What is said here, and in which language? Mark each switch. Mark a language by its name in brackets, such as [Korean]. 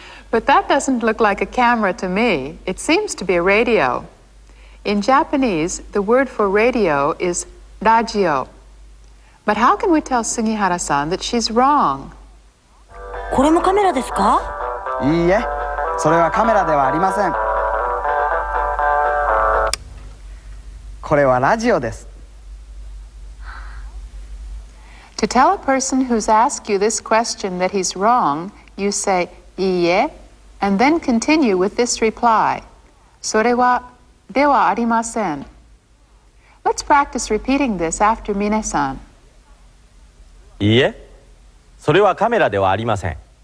[English] But that doesn't look like a camera to me. It seems to be a radio. In Japanese, the word for radio is radio. But how can we tell Sugihara-san that she's wrong? [Japanese] これもカメラですか？いいえ、それはカメラではありません。これはラジオです。 [English] To tell a person who's asked you this question that he's wrong, you say, いいえ、and then continue with this reply. [Japanese] それはではありません。 [English] Let's practice repeating this after Mine-san. [Japanese] いいえ、それはカメラではありません。